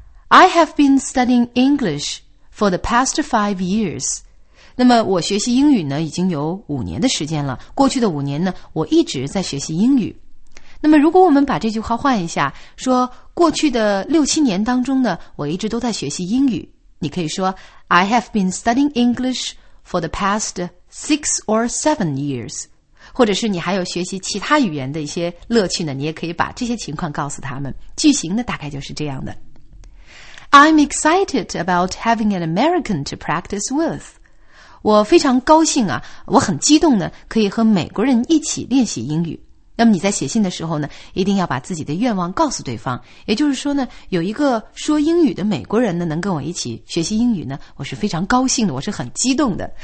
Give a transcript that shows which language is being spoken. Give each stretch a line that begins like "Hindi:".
English: I have been studying English for the past 5 years.
Chinese: 那么我学习英语呢已经有5年的时间了，过去的5年呢我一直在学习英语。那么如果我们把这句话换一下，说过去的6-7年当中呢我一直都在学习英语，你可以说
English: I have been studying English for the past 6 or 7 years，
Chinese: 或者是你还有学习其他语言的一些乐趣呢，你也可以把这些情况告诉他们，句型呢大概就是这样的。
English: I'm excited about having an American to practice with.
Chinese: 我非常高兴啊，我很激动呢，可以和美国人一起练习英语。那么你在写信的时候呢，一定要把自己的愿望告诉对方。也就是说呢，有一个说英语的美国人呢，能跟我一起学习英语呢，我是非常高兴的，我是很激动的。